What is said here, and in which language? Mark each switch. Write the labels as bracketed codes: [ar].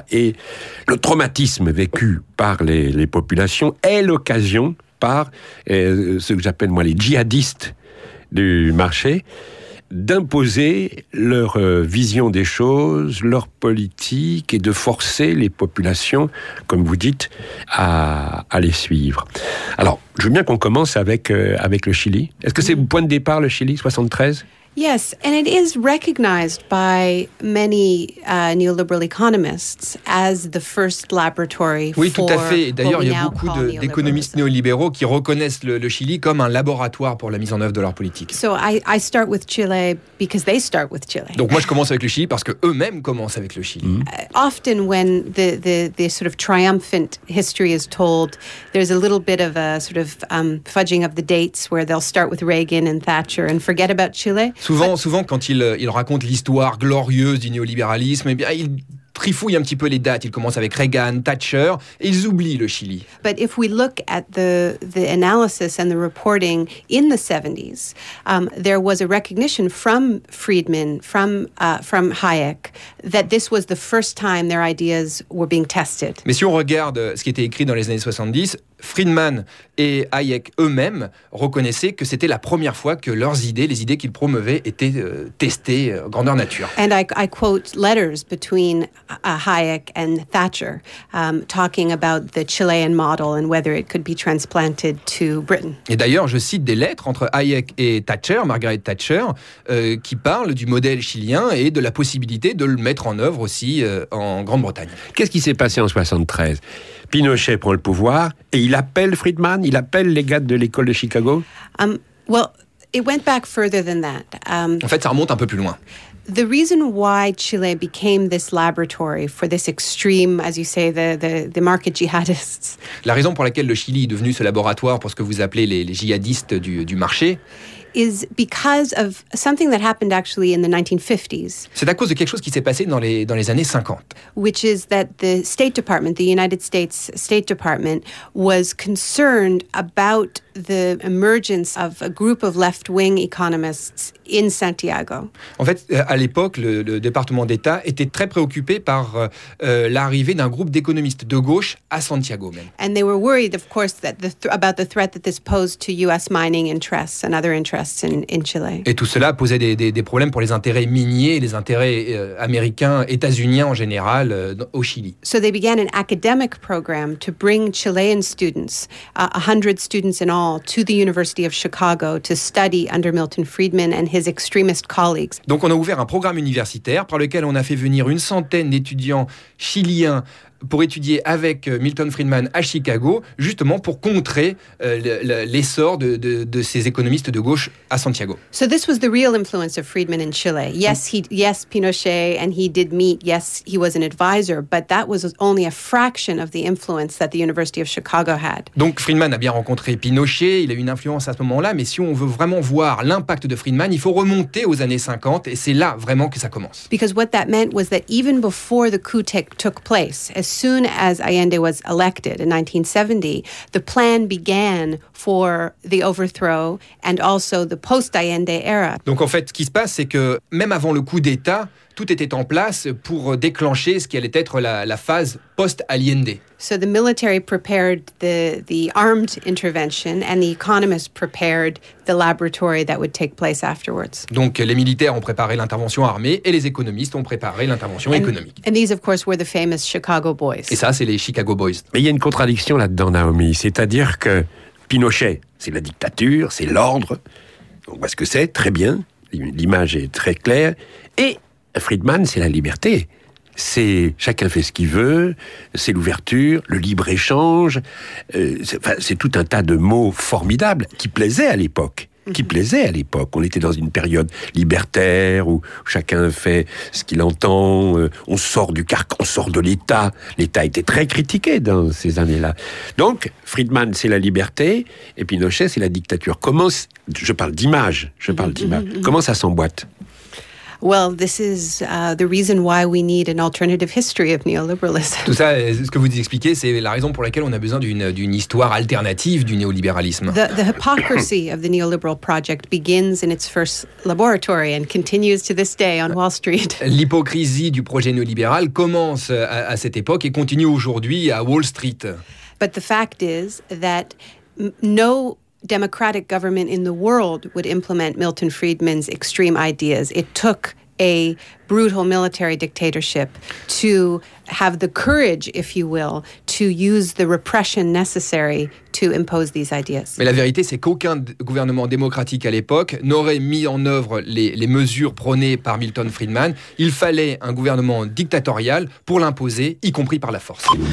[fr] Et le traumatisme vécu par les populations est l'occasion par ce que j'appelle moi les djihadistes du marché d'imposer leur vision des choses, leur politique et de forcer les populations, comme vous dites, à les suivre. Alors, je veux bien qu'on commence avec le Chili. Est-ce que c'est le point de départ le Chili, 73? [en] Yes, and it is recognized by many neoliberal economists as the first laboratory for [fr] Oui, tout à fait. D'ailleurs, il y a beaucoup d'économistes néolibéraux qui reconnaissent le Chili comme un laboratoire pour la mise en œuvre de leur politique. [en] So I start with Chile because they start with Chile. [fr] Donc moi je commence avec le Chili parce que eux-mêmes commencent avec le Chili. [en] Often when the sort of triumphant history is told, there's a little bit of a sort of fudging of the dates where they'll start with Reagan and Thatcher and forget about Chile. [fr] Souvent, quand il raconte l'histoire glorieuse du néolibéralisme, eh bien, il trifouille un petit peu les dates. Il commence avec Reagan, Thatcher, et ils oublient le Chili. [en] But if we look at the analysis and the reporting in the 70s, there was a recognition from Friedman, from Hayek, that this was the first time their ideas were being tested. [fr] Mais si on regarde ce qui était écrit dans les années 70, Friedman et Hayek eux-mêmes reconnaissaient que c'était la première fois que leurs idées, les idées qu'ils promeuvaient, étaient testées grandeur nature. [en] And I quote letters between Hayek and Thatcher talking about the Chilean model and whether it could be transplanted to Britain. [fr] Et d'ailleurs, je cite des lettres entre Hayek et Thatcher, Margaret Thatcher, qui parlent du modèle chilien et de la possibilité de le mettre en œuvre aussi en Grande-Bretagne. Qu'est-ce qui s'est passé en 73? Pinochet prend le pouvoir et il appelle Friedman, il appelle les gars de l'école de Chicago. [en] Well, it went back further than that. [fr] En fait, ça remonte un peu plus loin. [en] The reason why Chile became this laboratory for this extreme, as you say, the market jihadists. [fr] La raison pour laquelle le Chili est devenu ce laboratoire pour ce que vous appelez les djihadistes du marché. [en] Is because of something that happened actually in the 1950s. [fr] C'est à cause de quelque chose qui s'est passé dans les années 50. [en] Which is that the State Department, the United States State Department, was concerned about the emergence of a group of left-wing economists in Santiago. [fr] En fait, à l'époque, le département d'État était très préoccupé par l'arrivée d'un groupe d'économistes de gauche à Santiago même. [en] And they were worried, of course, that about the threat that this posed to U.S. mining interests and other interests in Chile. [fr] Et tout cela posait des problèmes pour les intérêts miniers, les intérêts américains, états-uniens en général, au Chili. [en] So they began an academic program to bring Chilean students, 100 students in all, to the University of Chicago to study under Milton Friedman and his extremist colleagues. [fr] Donc on a ouvert un programme universitaire par lequel on a fait venir une centaine d'étudiants chiliens pour étudier avec Milton Friedman à Chicago, justement pour contrer l'essor de ces économistes de gauche à Santiago. [en] So this was the real influence of Friedman in Chile. Yes, Pinochet, and he did meet. Yes, he was an advisor, but that was only a fraction of the influence that the University of Chicago had. [fr] Donc Friedman a bien rencontré Pinochet, il a eu une influence à ce moment-là, mais si on veut vraiment voir l'impact de Friedman, il faut remonter aux années 50, et c'est là vraiment que ça commence. [en] Because what that meant was that even before the coup took place, as soon as Allende was elected in 1970, the plan began for the overthrow and also the post-Allende era. [fr] Donc en fait, ce qui se passe, c'est que même avant le coup d'État, tout était en place pour déclencher ce qui allait être la phase post-Allende. [en] So the military prepared the armed intervention and the economists prepared the laboratory that would take place afterwards. [fr] Donc les militaires ont préparé l'intervention armée et les économistes ont préparé l'intervention économique. [en] And these of course were the famous Chicago Boys. [fr] Et ça c'est les Chicago Boys. Mais il y a une contradiction là-dedans, Naomi, c'est-à-dire que Pinochet, c'est la dictature, c'est l'ordre. On voit ce que c'est, très bien, l'image est très claire. Et Friedman, c'est la liberté. C'est chacun fait ce qu'il veut, c'est l'ouverture, le libre-échange. C'est tout un tas de mots formidables qui plaisaient à l'époque. On était dans une période libertaire où chacun fait ce qu'il entend. On sort du carcan, on sort de l'État. L'État était très critiqué dans ces années-là. Donc, Friedman, c'est la liberté et Pinochet, c'est la dictature. Je parle d'image. Comment ça s'emboîte? [en] Well, this is the reason why we need an alternative history of neoliberalism. [fr] Tout ça, ce que vous expliquez, c'est la raison pour laquelle on a besoin d'une histoire alternative du néolibéralisme. [en] The hypocrisy of the neoliberal project begins in its first laboratory and continues to this day on Wall Street. [fr] L'hypocrisie du projet néolibéral commence à cette époque et continue aujourd'hui à Wall Street. [en] But the fact is that no democratic government in the world would implement Milton Friedman's extreme ideas. It took a brutal military dictatorship to have the courage, if you will, to use the repression necessary to impose these ideas. [fr] Mais la vérité, c'est qu'aucun gouvernement démocratique à l'époque n'aurait mis en œuvre les mesures prônées par Milton Friedman. Il fallait un gouvernement dictatorial pour l'imposer, y compris par la force.